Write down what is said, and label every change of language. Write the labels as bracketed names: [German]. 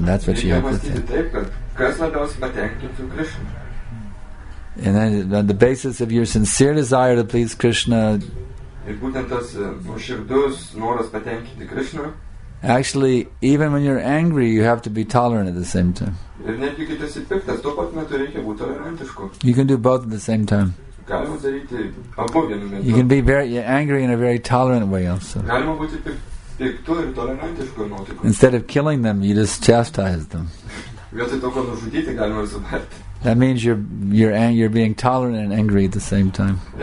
[English] That's what you have to think. And then on the basis of your sincere desire to please Krishna... [Lithuanian] Ir būtent tas nuoširdus noras patenkinti Krishna. [English] Actually, even when you're angry, you have to be tolerant at the same time. [Lithuanian] Ir netgi kai esi piktas, tuo pat metu reikia būti tolerantišku. [English] You can do both at the same time. [Lithuanian] Galima daryti abu vienu metu. [English] You can be very angry in a very tolerant way also. [Lithuanian] Galima būti piktu ir tolerantišku nuotaiku. [English] Instead of killing them, you just chastise them. [Lithuanian] Vietoj to, kad nužudyti, galima ir subarti. [English] That means you're being tolerant and angry at the same time.